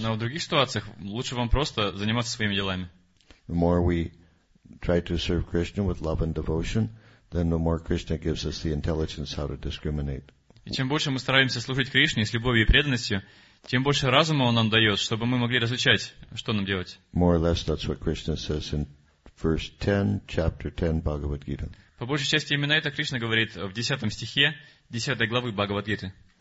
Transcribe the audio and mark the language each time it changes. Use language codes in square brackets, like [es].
[ru] Но в других ситуациях лучше вам просто заниматься своими делами. [en] The more we try to serve Krishna with love and devotion, then the more Krishna gives us the intelligence how to discriminate. [ru] И чем больше мы стараемся служить Кришне с любовью и преданностью, тем больше разума Он нам дает, чтобы мы могли различать, что нам делать. [en] More or less, that's what Krishna says in verse 10, chapter 10, Bhagavad Gita. [ru] По большей части именно это Кришна говорит в 10 стихе 10 главы Бхагавад Гиты.